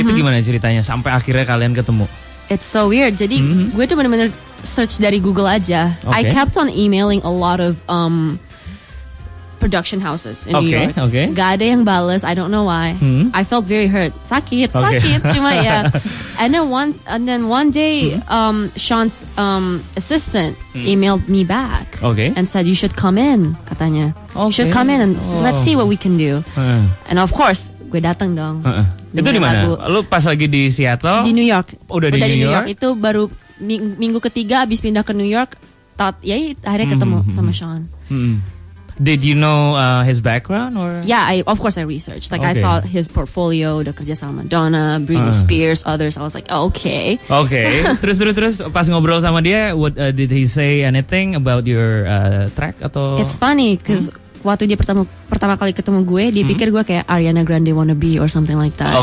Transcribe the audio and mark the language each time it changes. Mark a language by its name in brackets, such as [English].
[Indonesian] Itu gimana ceritanya sampai akhirnya kalian ketemu? [English] It's so weird. [Indonesian] Jadi gue tuh benar-benar search dari Google aja. [English] Okay. I kept on emailing a lot of production houses in New York. Okay. [Indonesian] Gak ada yang balas. [English] I don't know why. Mm-hmm. I felt very hurt. [Indonesian] Sakit, [English] okay. [Indonesian] Sakit. Cuma ya. [English] And then one day, Sean's assistant emailed me back. Okay. And said, you should come in, [Indonesian] katanya. [English] Okay. You should come in and let's see what we can do. And of course, [Indonesian] gue datang dong. Itu di mana? Lu pas lagi di Seattle? Di New York. Udah di New York. Itu baru minggu ketiga abis pindah ke New York. Akhirnya ketemu sama Sean. [English] Did you know his background or? Yeah, I researched. Like, okay. I saw his portfolio, [Indonesian] udah kerja sama [English] Madonna, Britney Spears, others. I was like, okay. Okay. [Indonesian] Terus pas ngobrol sama dia, [English] did he say anything about your track [Indonesian] atau? [English] It's funny because [Indonesian] waktu dia pertama kali ketemu gue, dia pikir gue kayak Ariana Grande wannabe [English] or something like that.